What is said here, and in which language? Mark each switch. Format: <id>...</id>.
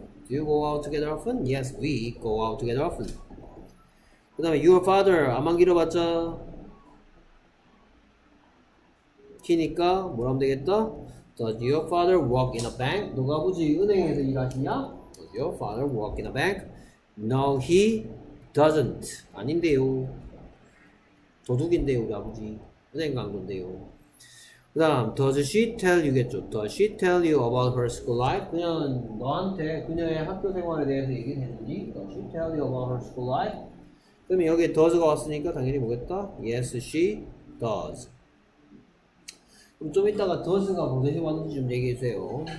<en>Do you go out together often? Yes, we go out together often.</en> <ko>그 다음에</ko> <en>your father,</en> <ko>암만 길어봤자 키니까 뭐라 하면 되겠다?</ko> <en>Does your father work in a bank?</en> <ko>누가 보지 은행에서 일하시냐?</ko> <en>Does your father work in a bank? No, he doesn't.</en> <ko>아닌데요. 도둑인데요, 우리 아버지. 은행 간 건데요. 그 다음,</ko> <en>does she tell you</en> <ko>겠죠?</ko> <en>Does she tell you about her school life?</en> <ko>그녀는 너한테 그녀의 학교 생활에 대해서 얘기했는지?</ko> <en>Does she tell you about her school life?</en> <ko>그러면 여기 does가 왔으니까 당연히 뭐겠다?</ko> <en>Yes, she does.</en> <ko>그럼 좀 이따가 does가 뭐든지 왔는지 좀 얘기해주세요.</ko>